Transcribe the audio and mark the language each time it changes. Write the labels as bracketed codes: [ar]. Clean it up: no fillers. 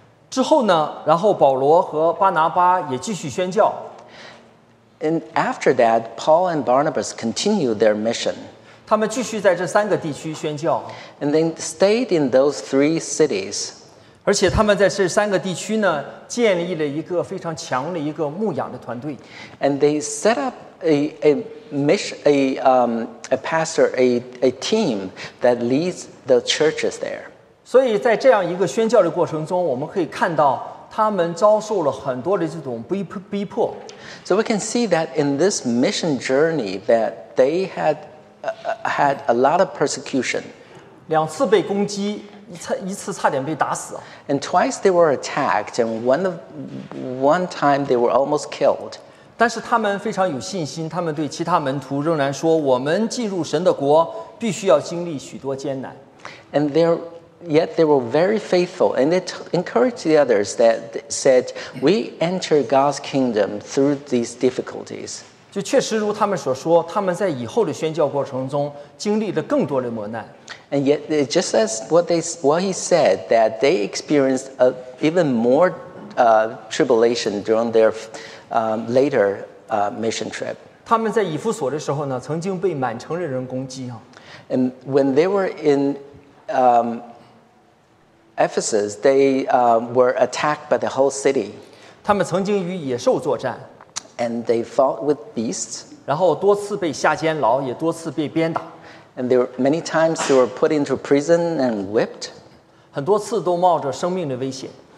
[zh] 之后呢，然后保罗和巴拿巴也继续宣教。 [en] And after that, Paul and Barnabas continued their mission. [zh] 他们继续在这三个地区宣教 [en] ，and then stayed in those three cities. [zh] 而且他们在这三个地区呢，建立了一个非常强的一个牧养的团队。 [en] And they set up a pastor, a team that leads the churches there. [zh] 所以在这样一个宣教的过程中，我们可以看到他们遭受了很多的这种逼迫。 [en] So we can see that in this mission journey that they had a lot of persecution. [zh] 两次被攻击，一次差点被打死。 [en] And twice they were attacked, and one time they were almost killed. [zh] 但是他们非常有信心，他们对其他门徒仍然说：“我们进入神的国，必须要经历许多艰难。” [en] And they were very faithful, and they encouraged the others that said, "We enter God's kingdom through these difficulties." [zh] 就确实如他们所说，他们在以后的宣教过程中经历了更多的磨难。 [en] And yet, it just says what he said, that they experienced even more tribulation during their later mission trip. [zh] 他们在以弗所的时候呢，曾经被满城的人攻击啊。 [en] And when they were in Ephesus, they were attacked by the whole city. [zh] 他们曾经与野兽作战。 [en] And they fought with beasts. [zh] 然后多次被下监牢，也多次被鞭打。 [en] And there were many times they were put into prison and whipped. [zh] 很多次都冒着生命的危险。